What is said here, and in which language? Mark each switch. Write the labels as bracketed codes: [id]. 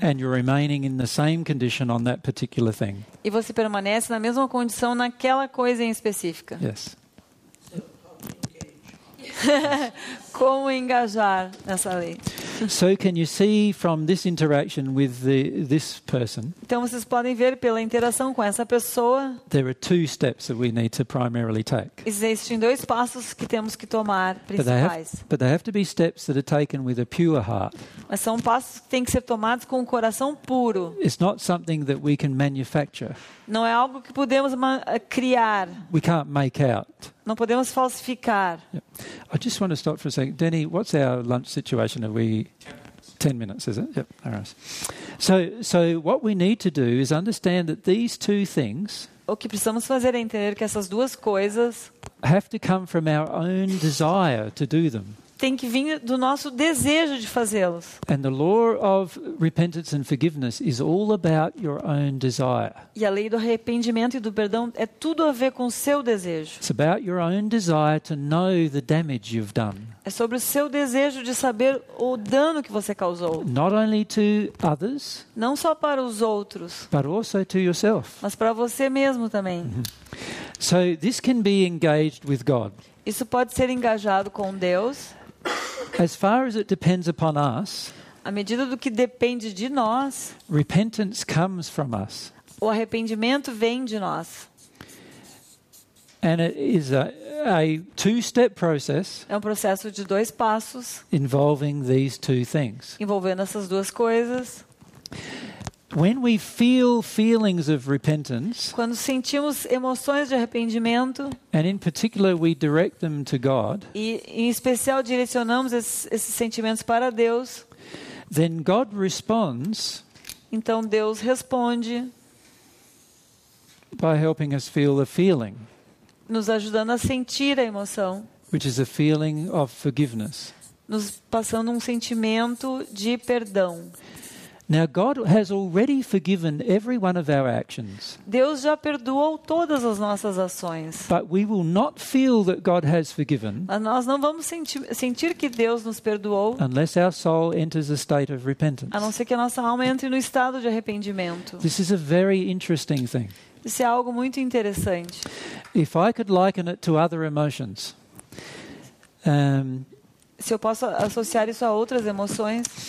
[en] And you're remaining in the same condition on that particular thing. [pt] E você permanece na mesma condição naquela coisa em específica. [en] Yes. [pt] Como engajar nessa lei? [en] So can you see from this interaction with this person? [pt] Então vocês podem ver pela interação com essa pessoa. [en] There are two steps that we need to primarily take. [pt] Existem dois passos que temos que tomar principais. [en] But they have to be steps that are taken with a pure heart. [pt] Mas são passos que têm que ser tomados com um coração puro. [en] It's not something that we can manufacture. [pt] Não é algo que podemos criar. [en] We can't make out. [pt] Não podemos falsificar. [en] Yeah. I just want to stop for a second. Denny, what's our lunch situation? Are we 10 minutes, is it? Yep. All right. So what we need to do is understand that these two things, [pt] o que precisamos fazer é entender que essas duas coisas [en] have to come from our own desire to do them. [pt] Tem que vir do nosso desejo de fazê-los. [en] And the law of repentance and forgiveness is all about your own desire. [pt] E a lei do arrependimento e do perdão é tudo a ver com o seu desejo. [en] It's about your own desire to know the damage you've done. [pt] É sobre o seu desejo de saber o dano que você causou. [en] Not only to others, [pt] não só para os outros, [en] but also to yourself. [pt] Mas para você mesmo também. [en] So this can be engaged with God. [pt] Isso pode ser engajado com Deus. [en] As far as it depends upon us, [pt] à medida do que depende de nós, [en] repentance comes from us. [pt] O arrependimento vem de nós. [en] And it is a two-step process. [pt] É um processo de dois passos. [en] Involving these two things. [pt] Envolvendo essas duas coisas. [en] When we feel feelings of repentance, [pt] quando sentimos emoções de arrependimento, [en] and in particular we direct them to God, [pt] e em especial direcionamos esses sentimentos para Deus, [en] then God responds. [pt] Então Deus responde [en] by helping us feel the feeling, [pt] nos ajudando a sentir a emoção, [en] which is a feeling of forgiveness, [pt] nos passando um sentimento de perdão. [en] Now God has already forgiven every one of our actions. [pt] Deus já perdoou todas as nossas ações. [en] But we will not feel that God has forgiven. [pt] Mas nós não vamos sentir que Deus nos perdoou. [en] Unless our soul enters a state of repentance. [pt] A não ser que a nossa alma entre no estado de arrependimento. [en] This is a very interesting thing. [pt] Isso é algo muito interessante. [en] If I could liken it to other emotions. [pt] Se eu posso associar isso a outras emoções,